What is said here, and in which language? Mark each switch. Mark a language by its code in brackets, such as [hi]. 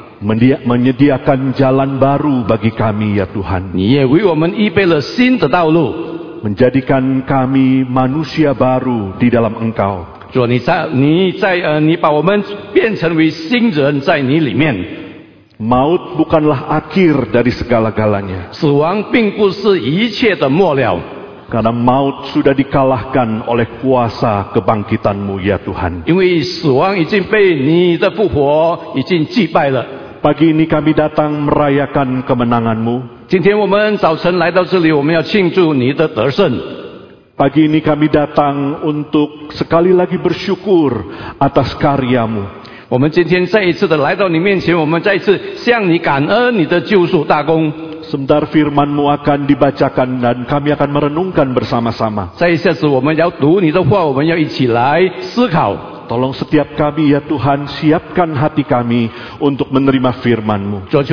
[id] Menyediakan jalan baru bagi kami ya Tuhan. [zh] 你也为我们预备了新的道路。 [id] Menjadikan kami manusia baru di dalam engkau. [zh] 主啊, 你把我们变成为新人在你里面。 [id] Maut bukanlah akhir dari segala-galanya. [zh] 死亡并不是一切的末了。 [id] Karena maut sudah dikalahkan oleh kuasa kebangkitanmu ya Tuhan. [zh] 因为死亡已经被你的复活已经击败了。 [id] Pagi ini kami datang merayakan kemenanganmu. [zh] 今天我们早晨来到这里，我们要庆祝你的得胜。 [id] Pagi ini kami datang untuk sekali lagi bersyukur atas karyamu. [zh] 我们今天再一次的来到你面前，我们再一次向你感恩你的救赎大功。 [id] Sebentar firmanmu akan dibacakan dan kami akan merenungkan bersama-sama. [zh] 再一下子我们要读你的话，我们要一起来思考。 [id] Tolong setiap kami ya Tuhan siapkan hati kami untuk menerima firman-Mu.